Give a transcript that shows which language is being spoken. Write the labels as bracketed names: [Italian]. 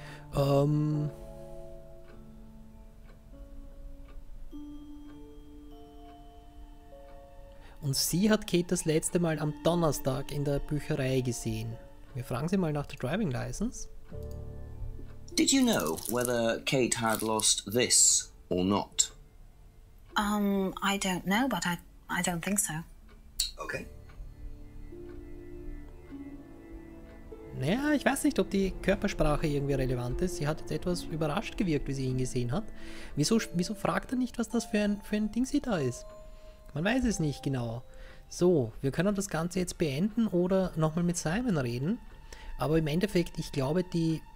[German] Und sie hat Kate das letzte Mal am Donnerstag in der Bücherei gesehen. Wir fragen sie mal nach der Driving License. [English] Did you know whether Kate had lost this or not? I don't know, but I don't think so. Okay. [German] Naja, ich weiß nicht, ob die Körpersprache irgendwie relevant ist. Sie hat jetzt etwas überrascht gewirkt, wie sie ihn gesehen hat. Wieso fragt er nicht, was das für ein Ding sie da ist? Man weiß es nicht genau. So, wir können das Ganze jetzt beenden oder nochmal mit Simon reden. Aber im Endeffekt, ich glaube, die